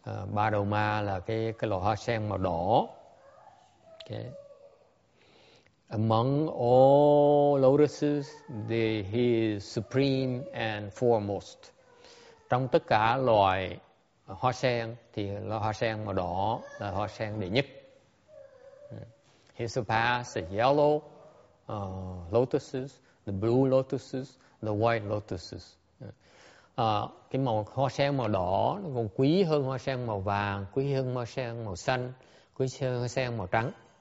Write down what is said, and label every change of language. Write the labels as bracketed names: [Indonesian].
[Vietnamese] Ba Đầu Ma là cái lò hoa sen màu đỏ. [English] Okay. Among all lotuses, he is supreme and foremost. [Vietnamese] Trong tất cả loài hoa sen, thì lò hoa sen màu đỏ là hoa sen đệ nhất. [English] He surpassed the yellow lotuses, the blue lotuses, the white lotuses. [Vietnamese] Cái màu hoa sen màu đỏ nó còn quý hơn hoa sen màu vàng, quý hơn hoa sen màu xanh, quý hơn hoa sen màu trắng.